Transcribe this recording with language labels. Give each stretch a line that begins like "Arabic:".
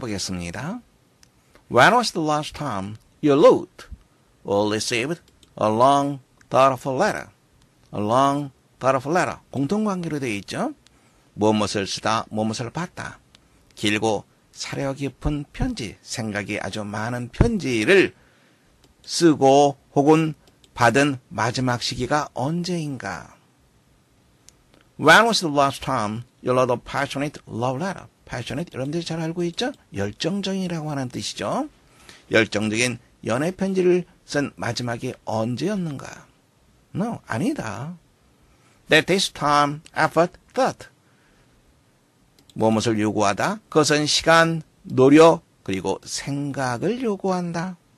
English: When was the last time you wrote or received a long, thoughtful letter? A long, thoughtful letter.
Korean: 공통관계로 되어 있죠? 무엇을 쓰다, 무엇을 봤다. 길고 사려 깊은 편지, 생각이 아주 많은 편지를 쓰고 혹은 받은 마지막 시기가 언제인가?
English: When was the last time you wrote a passionate love letter?
Korean: Passionate, 여러분들이 잘 알고 있죠? 열정적이라고 하는 뜻이죠. 열정적인 연애 편지를 쓴 마지막이 언제였는가?
English: No,
Korean: 아니다.
English: That takes time, effort, thought.
Korean: 무엇을 요구하다? 그것은 시간, 노력, 그리고 생각을 요구한다.